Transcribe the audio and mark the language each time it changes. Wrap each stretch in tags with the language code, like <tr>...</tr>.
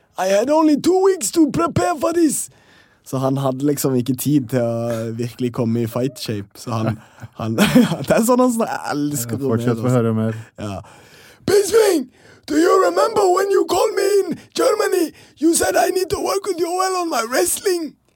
<en>I had only 2 weeks to prepare for this.</en> <no>Så han hadde liksom ikke tid til å virkelig komme I</no> <en>fight shape.</en> <no>Så han det sånn han snakker. Jeg elsker Romero. Fortsett for å høre mer. Ja.</no> <en>Bisping, do you remember when you called me in Germany? You said I need to work with Joel on my wrestling.</en>